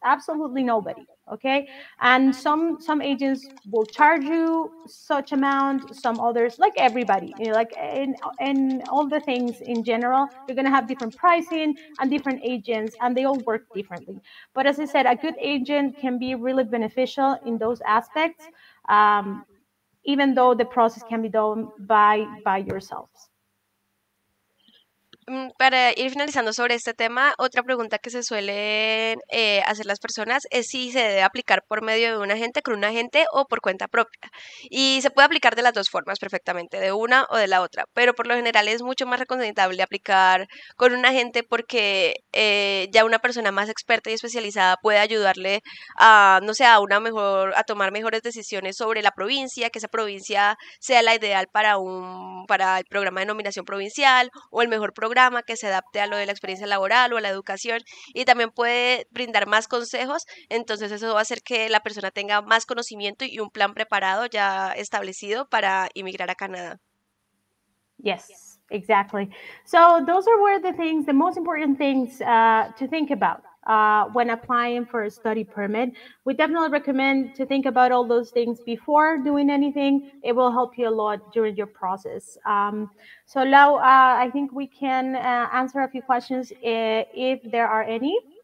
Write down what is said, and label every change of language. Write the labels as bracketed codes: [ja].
[en] Absolutely nobody. Okay, and some agents will charge you such amount, some others, like everybody, you know, like in all the things in general, you're gonna have different pricing and different agents, and they all work differently. But as I said, a good agent can be really beneficial in those aspects, even though the process can be done by yourselves. [es] Para ir finalizando sobre este tema, otra pregunta que se suelen hacer las personas es si se debe aplicar por medio de un agente, con un agente o por cuenta propia. Y se puede aplicar de las dos formas perfectamente, de una o de la otra, pero por lo general es mucho más recomendable aplicar con un agente porque ya una persona más experta y especializada puede ayudarle a, no sé, a una mejor, a tomar mejores decisiones sobre la provincia, que esa provincia sea la ideal para para el programa de nominación provincial o el mejor programa que se adapte a lo de la experiencia laboral o a la educación, y también puede brindar más consejos. Entonces eso va a hacer que la persona tenga más conocimiento y un plan preparado ya establecido para emigrar a Canadá. [en] Yes, exactly. So those are where the things, the most important things to think about when applying for a study permit. We definitely recommend to think about all those things before doing anything. It will help you a lot during your process. So Lau, I think we can answer a few questions if there are any.